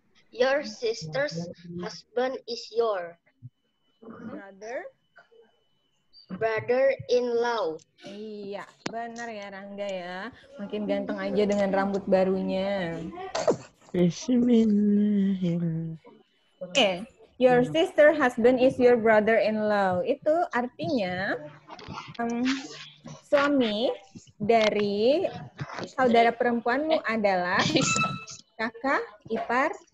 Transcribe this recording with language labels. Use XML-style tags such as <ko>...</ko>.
<en>Your sister's husband is your brother. Brother-in-law.</en> <id>Iya, benar ya Rangga ya. Makin ganteng aja dengan rambut barunya.</id> <ar>Bismillahirrahmanirrahim. Oke, okay.</ar> <en>Your sister husband is your brother-in-law.</en> <id>Itu artinya suami dari saudara perempuanmu adalah kakak ipar.</id>